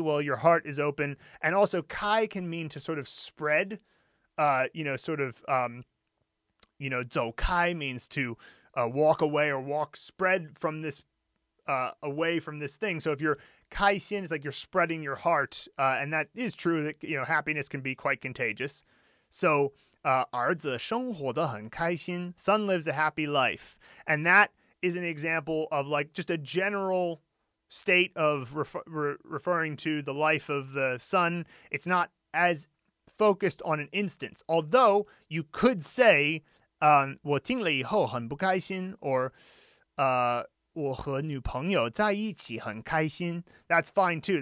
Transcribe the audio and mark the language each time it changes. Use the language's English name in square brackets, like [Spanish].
[English] Well, your heart is open. And also kai can mean to sort of spread, zou kai means to walk away or walk spread from this, away from this thing. So if you're kaixin, it's like you're spreading your heart. And that is true that, you know, happiness can be quite contagious. [Chinese] So, 儿子生活得很开心. [English] Son lives a happy life. And that is an example of like just a general state of referring to the life of the son. It's not as focused on an instance. Although you could say, [Chinese] 我听了以后很不开心, [English] or [Chinese] 我和女朋友在一起很开心. [English] That's fine too.